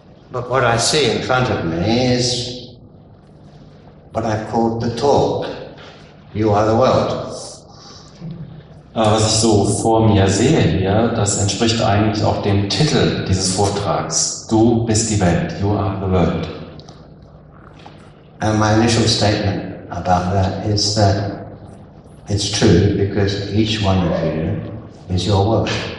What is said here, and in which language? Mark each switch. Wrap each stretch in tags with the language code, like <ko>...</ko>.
<en>But what I see in front of me is what I've called the talk. You are the world.</en> <de>Was ich so vor mir sehe hier, das entspricht eigentlich auch dem Titel dieses Vortrags. Du bist die Welt.</de> <en>You are the world. And my initial statement about that is that it's true because each one of you is your world.</en>